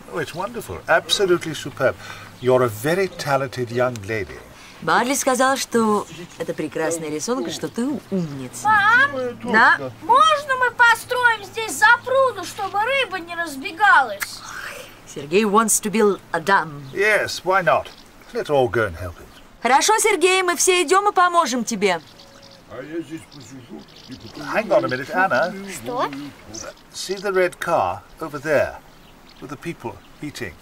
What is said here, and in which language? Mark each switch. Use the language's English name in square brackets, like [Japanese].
[English] Oh, it's wonderful. Absolutely superb. You're a very talented young lady. [Russian] Барли сказал, что это прекрасный рисунок, что ты умница. Мам! Да? Можно мы построим здесь запруду, чтобы рыба не разбегалась? [English] Сергей wants to build a dam. Yes, why not? Let's all go and help him. [Russian] Хорошо, Сергей, мы все идем и поможем тебе. А я здесь посижу. [English] Hang on a minute, Anna. [Russian] Что? [English] See the red car over there with the people eating.